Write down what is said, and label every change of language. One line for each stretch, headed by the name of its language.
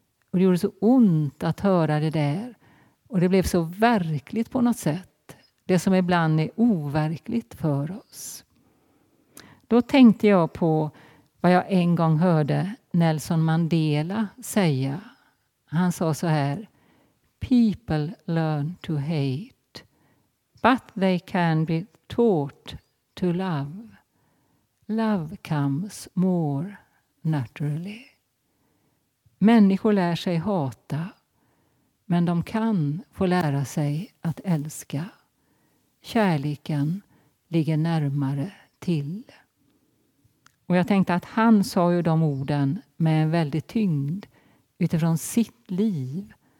Swedish: Och det gjorde så ont att höra det där. Och det blev så verkligt på något sätt. Det som ibland är overkligt för oss. Då tänkte jag på vad jag en gång hörde Nelson Mandela säga. Han sa så här:
English: people learn to hate, but they can be taught to love. Love comes more naturally.
Swedish: Människor lär sig hata, men de kan få lära sig att älska. Kärleken ligger närmare till. Och jag tänkte att han sa ju de orden med en väldig tyngd utifrån sitt liv.